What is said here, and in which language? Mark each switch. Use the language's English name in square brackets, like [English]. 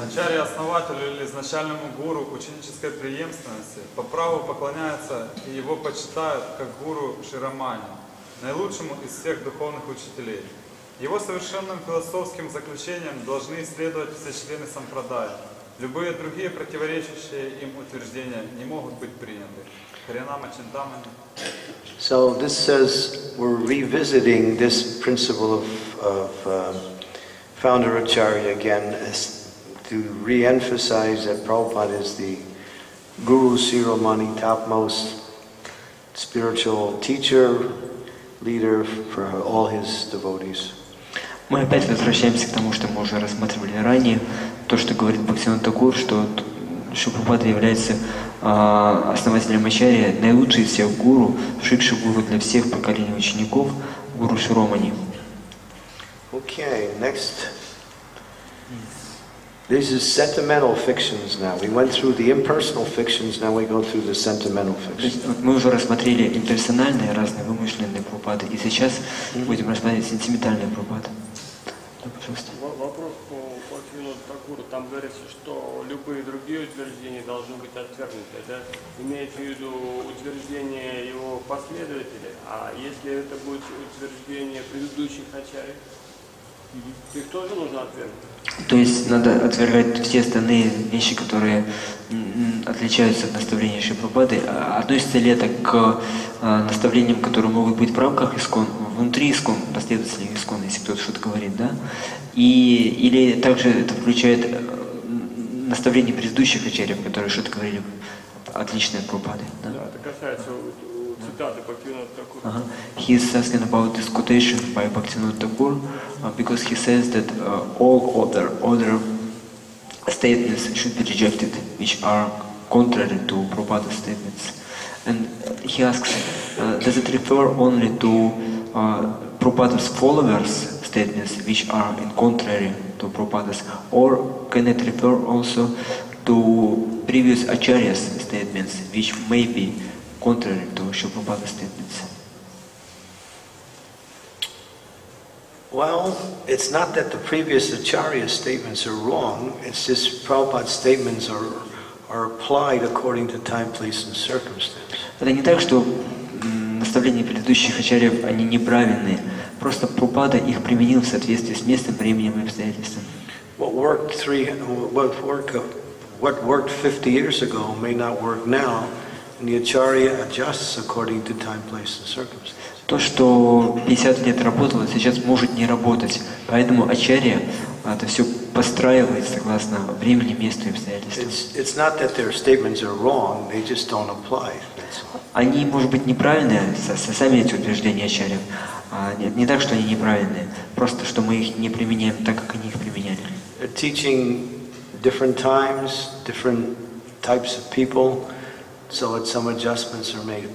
[Russian] Ачарья основателю или изначальному гуру к ученической преемственности по праву поклоняются и его почитают как гуру Широмани, наилучшему из всех духовных учителей. Его совершенным философским заключением должны следовать все члены сампрадая. Любые другие противоречащие им утверждения не могут быть приняты. Харинама Чинтамани. [English] So this says we're revisiting this principle of founder Acharya again as to re-emphasize that Prabhupada is the Guru Shiromani, topmost spiritual teacher, leader for all his devotees. [Russian] Мы опять возвращаемся к тому, что мы уже рассматривали ранее, то, что говорит Бхактисиддханта Тхакур, что Шри Прабхупада является основателем Ачарьи, наилучший из всех гуру, Шикша гуру для всех поколений учеников, гуру Широмани. [English] Okay, next. This is sentimental fictions now. We went through the impersonal fictions, now we go through the sentimental fictions. [Russian] Мы уже рассмотрели имперсональные разные вымышленные Прабхупады, и сейчас будем рассматривать сентиментальные Прабхупады. Вопрос по Бхактисиддханта Тхакуру. Там говорится, что любые другие утверждения должны быть отвергнуты. Это имеет в виду утверждение его последователей. А если это будет утверждение предыдущих ачарьев, их тоже нужно отвергнуть? То есть надо отвергать все остальные вещи, которые отличаются от наставления Шри Прабхупады. Относится ли это к наставлениям, которые могут быть в рамках ИСККОН, внутри искон, последователей искон, если кто-то что-то говорит, да? И, или также это включает наставление предыдущих ачарьев, которые что-то говорили, отличные Прабхупады, да? Да, это касается цитаты Бхактивинода Тхакур. [English] He's asking about this quotation by Bhaktivinoda Thakur, because he says that all other statements should be rejected, which are contrary to Prabhupada's statements. And he asks, does it refer only to Prabhupada's followers' statements, which are in contrary to Prabhupada's, or can it refer also to previous acharyas' statements, which may be contrary to Srila Prabhupada's statements? Well, it's not that the previous acharya statements are wrong, it's just Prabhupada's statements are applied according to time, place, and circumstance. [Russian] Это не так, что наставления предыдущих ачарьев, они неправильные. Просто Прабхупада их применил в соответствии с местом, временем и обстоятельствами. [English] What worked 50 years ago may not work now, and the acharya adjusts according to time, place, and circumstance. [Russian] То, что 50 лет работало, сейчас может не работать. Поэтому ачарья это все подстраивает согласно времени, месту и обстоятельствам. [English] It's not that their statements are wrong, they just don't apply. [Russian] Они, может быть, неправильные, сами эти утверждения ачарьев. Нет, не так, что они неправильные, просто что мы их не применяем так, как они их применяли. [English] They're teaching different times, different types of people, so that some adjustments are made.